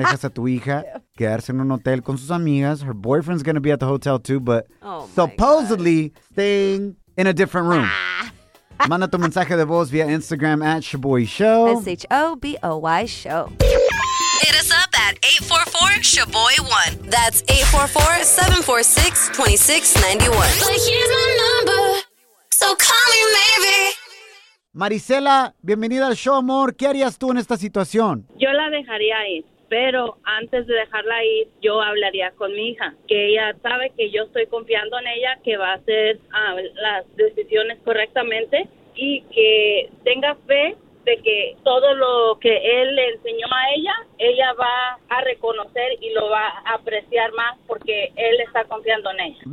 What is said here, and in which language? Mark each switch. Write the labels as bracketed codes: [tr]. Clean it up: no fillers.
[es] Dejas a tu hija quedarse en un hotel con sus amigas. [en] Her boyfriend's gonna be at the hotel too, but supposedly staying in a different room. [es] Manda tu mensaje de voz via Instagram at Shaboy Show. [en] Shaboy Show. Hit us up at 844-SHABOY1. That's 844-746-2691. But here's my number, so call me maybe. [es] Marisela, bienvenida al show, amor. ¿Qué harías tú en esta situación? Yo la dejaría ir, pero antes de dejarla ir, yo hablaría con mi hija, que ella sabe que yo estoy confiando en ella, que va a hacer las decisiones correctamente y que tenga fe de que todo lo que él le enseñó a ella, ella va a reconocer y lo va a apreciar más porque él está confiando en ella.